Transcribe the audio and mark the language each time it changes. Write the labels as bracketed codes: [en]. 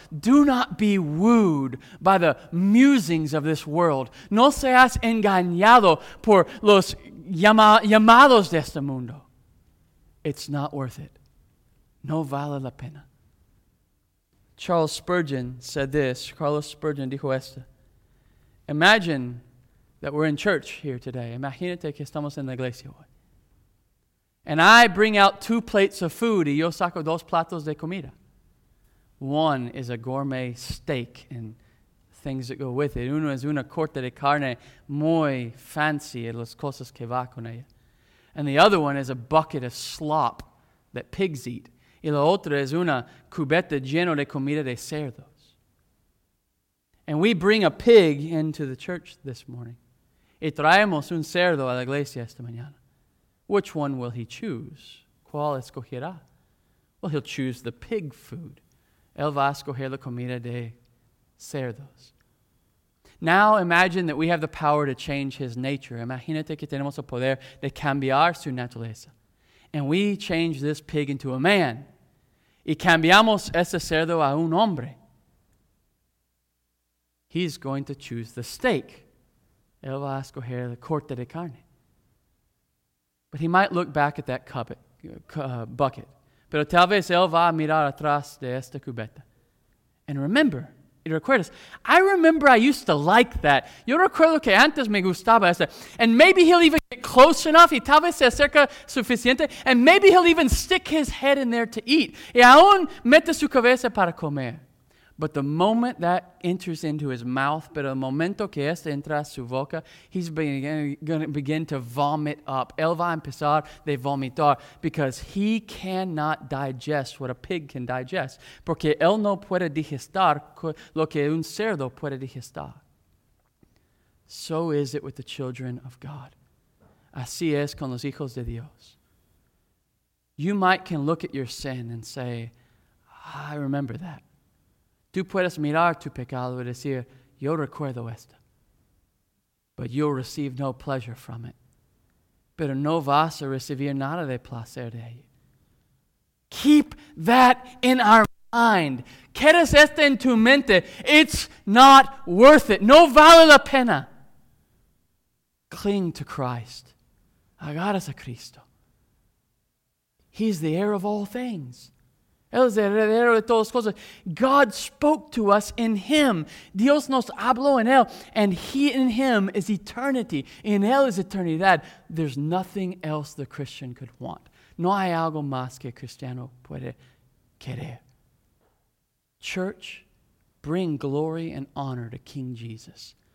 [en] Do not be wooed by the musings of this world. [es] No seas engañado por los llamados de este mundo. [en] It's not worth it. [es] No vale la pena. [en] Charles Spurgeon said this. [es] Carlos Spurgeon dijo esto. [en] Imagine that we're in church here today. [es] Imagínate que estamos en la iglesia hoy. [en] And I bring out two plates of food [es] y yo saco dos platos de comida. [en] One is a gourmet steak and things that go with it. [es] Uno es una corte de carne muy fancy y las cosas que va con ella. [en] And the other one is a bucket of slop that pigs eat. [es] Y la otra es una cubeta llena de comida de cerdos. [en] And we bring a pig into the church this morning. [es] Y traemos un cerdo a la iglesia esta mañana. [en] Which one will he choose? [es] ¿Cuál escogerá? [en] Well, he'll choose the pig food. [es] Él va a escoger la comida de cerdos. [en] Now imagine that we have the power to change his nature. [es] Imagínate que tenemos el poder de cambiar su naturaleza. [en] And we change this pig into a man. [es] Y cambiamos ese cerdo a un hombre. [en] He's going to choose the steak. [es] Él va a escoger la corte de carne. [en] But he might look back at that bucket. [es] Pero tal vez él va a mirar atrás de esta cubeta. [en] And remember, [es] y recuerdas, [en] I remember I used to like that. [es] Yo recuerdo que antes me gustaba esa. [en] And maybe he'll even get close enough, [es] y tal vez se acerca suficiente, [en] and maybe he'll even stick his head in there to eat. [es] Y aún mete su cabeza para comer. [en] But the moment that enters into his mouth, [es] pero el momento que esta entra a su boca, [en] he's going to begin to vomit up. [es] Él va a empezar de vomitar [en] because he cannot digest what a pig can digest. [es] Porque él no puede digestar lo que un cerdo puede digestar. [en] So is it with the children of God. [es] Así es con los hijos de Dios. [en] You might can look at your sin and say, I remember that. [es] Tú puedes mirar tu pecado y decir, yo recuerdo esto. [en] But you'll receive no pleasure from it. [es] Pero no vas a recibir nada de placer de ello. [en] Keep that in our mind. [es] Quedas esto en tu mente. [en] It's not worth it. [es] No vale la pena. [en] Cling to Christ. [es] Agarras a Cristo. [en] He's the heir of all things. [es] Él es el heredero de todas las cosas. [en] God spoke to us in him. [es] Dios nos habló en él. [en] And he in him is eternity. [es] En él es eternidad. [en] There's nothing else the Christian could want. [es] No hay algo más que el cristiano puede querer. [en] Church, bring glory and honor to King Jesus.